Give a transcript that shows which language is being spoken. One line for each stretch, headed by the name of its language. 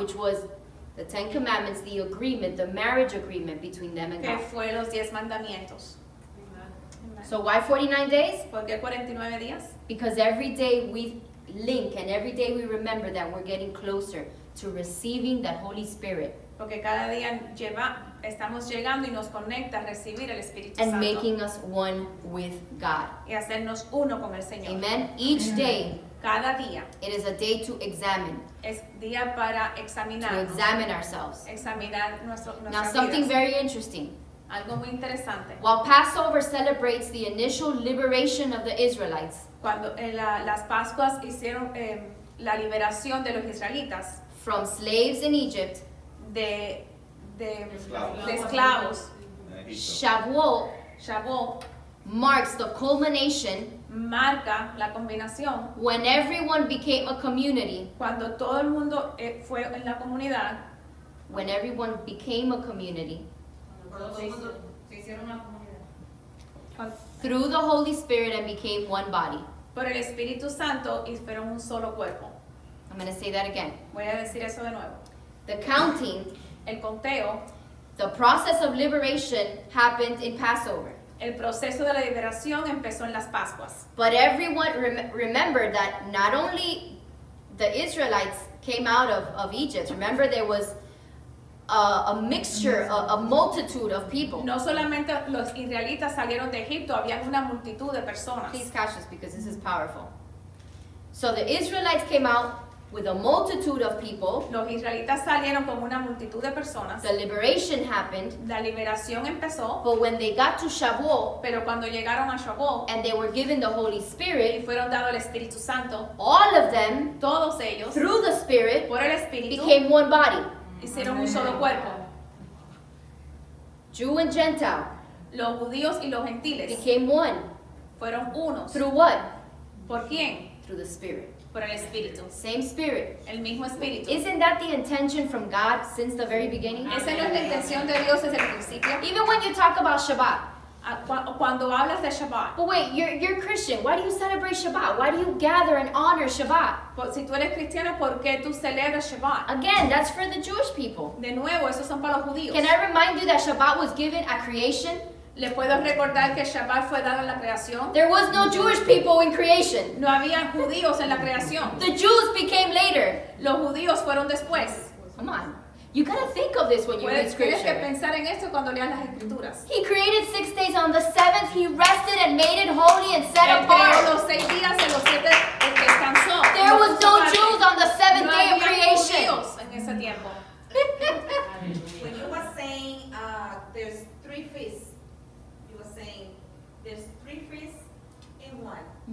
English: which was the Ten Commandments, the agreement, the marriage agreement between them and
Spanish: que
English: God.
Spanish: Fue los diez mandamientos.
English: So why 49 days?
Spanish: ¿Por qué 49 días?
English: Because every day we link and every day we remember that we're getting closer to receiving that Holy Spirit.
Spanish: Porque cada día estamos llegando y nos conecta a recibir el Espíritu Santo.
English: And making us one with God.
Spanish: Y hacernos uno con el Señor.
English: Amen. Each day,
Spanish: cada día,
English: it is a day to examine.
Spanish: Es día para examinar.
English: To examine ourselves.
Spanish: Examinar nuestra vida.
English: Now something very interesting.
Spanish: Algo muy interesante.
English: While Passover celebrates the initial liberation of the Israelites,
Spanish: cuando las Pascuas hicieron la liberación de los israelitas
English: from slaves in Egypt,
Spanish: de esclavos,
English: Shavuot marks the culmination,
Spanish: marca la combinación,
English: when everyone became a community,
Spanish: cuando todo el mundo fue en la comunidad,
English: when everyone became a community, through the Holy Spirit and became one body.
Spanish: Por el Espíritu Santo y fueron un solo cuerpo.
English: I'm going to say that again.
Spanish: Voy a decir eso de nuevo.
English: The counting,
Spanish: el conteo,
English: the process of liberation happened in Passover.
Spanish: El proceso de la liberación empezó en las Pascuas.
English: But everyone remembered that not only the Israelites came out of Egypt. Remember, there was a mixture, a multitude of people.
Spanish: No solamente los israelitas salieron de Egipto, había una multitud de personas.
English: Please catch this because this is powerful. So the Israelites came out with a multitude of people.
Spanish: Los israelitas salieron con una multitud de personas.
English: The liberation happened.
Spanish: La liberación empezó.
English: But when they got to Shavuot,
Spanish: pero cuando llegaron a Shavuot,
English: and they were given the Holy Spirit,
Spanish: y fueron dado el Espíritu Santo,
English: all of them,
Spanish: todos ellos,
English: through the Spirit,
Spanish: por el Espíritu,
English: became one body.
Spanish: Hicieron un solo cuerpo.
English: Jew and Gentile.
Spanish: Los judíos y los gentiles.
English: Became one.
Spanish: Fueron unos.
English: Through what?
Spanish: ¿Por quién?
English: Through the Spirit.
Spanish: Por el Espíritu.
English: Same Spirit.
Spanish: El mismo Espíritu.
English: Isn't that the intention from God since the very beginning?
Spanish: Esa no es la intención de Dios desde el principio.
English: Even when you talk about Shabbat.
Spanish: Cuando hablas de Shabbat.
English: But wait, you're Christian. Why do you celebrate Shabbat? Why do you gather and honor Shabbat?
Spanish: Si tú eres cristiana, ¿por qué tú celebras Shabbat?
English: Again, that's for the Jewish people.
Spanish: De nuevo, esos son para los judíos.
English: Can I remind you that Shabbat was given at creation?
Spanish: ¿Le puedo recordar que Shabbat fue dado en la creación?
English: There was no Jewish people in creation.
Spanish: No había judíos en la creación.
English: The Jews became later.
Spanish: Los judíos fueron después.
English: Come on. You gotta think of this when you read scripture.
Spanish: Tienes que pensar en esto cuando leas las escrituras.
English: He created 6 days on the seventh. He rested and made it holy and set apart.
Spanish: Creó los 6 días y los siete descansó.
English: There was no Jews on the seventh day of creation.
Spanish: No había judíos en ese tiempo.
English: When you were saying there's three feasts, you were saying there's three feasts in one.